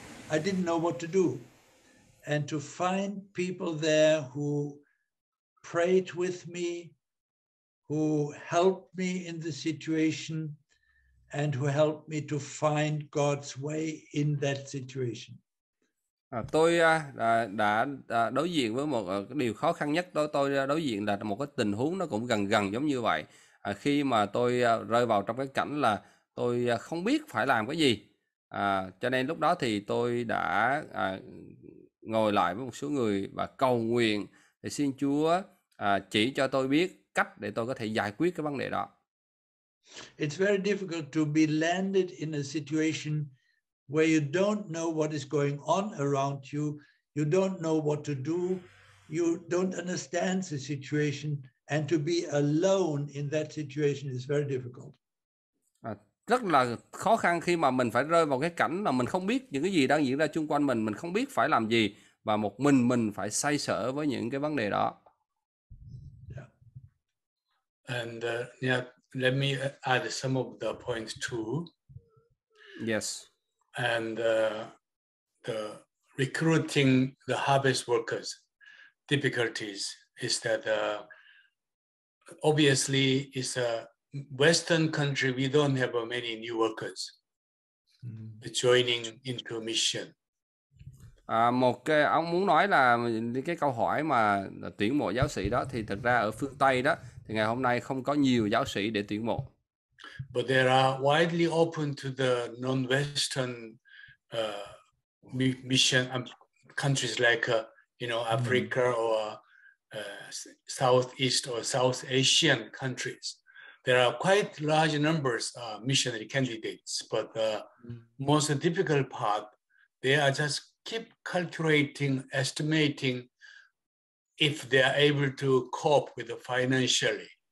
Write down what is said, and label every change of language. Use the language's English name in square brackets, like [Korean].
[English] I didn't know what to do. And to find people there who prayed with me, who helped me in the situation, and who helped me to find God's way in that situation. [Vietnamese] Tôi đã đối diện với một cái điều khó khăn nhất. Tôi đối diện là một cái tình huống nó cũng gần giống như vậy. Khi mà tôi rơi vào trong cái cảnh là tôi không biết phải làm cái gì. Cho nên lúc đó thì tôi đã ngồi lại với một số người và cầu nguyện để xin Chúa chỉ cho tôi biết cách để tôi có thể giải quyết cái vấn đề đó. [English] It's very difficult to be landed in a situation where you don't know what is going on around you, you don't know what to do, you don't understand the situation, and to be alone in that situation is very difficult. [Vietnamese] Rất là khó khăn khi mà mình phải rơi vào cái cảnh là mình không biết những cái gì đang diễn ra xung quanh mình không biết phải làm gì, và một mình phải xoay sở với những cái vấn đề đó. [English] Yeah. And yeah, let me add some of the points too. Yes. And the recruiting the harvest workers difficulties is that obviously it's a Western country. We don't have many new workers joining into a mission. [Vietnamese] Một cái ông muốn nói là cái câu hỏi mà tuyển mộ giáo sĩ đó thì thực ra ở phương Tây đó thì ngày hôm nay không có nhiều giáo sĩ để tuyển mộ. [English] But they are widely open to the non-Western mission countries like Africa or Southeast or South Asian countries. There are quite large numbers of missionary candidates, but the most difficult part, they are just keep calculating, estimating if they are able to cope with the financially.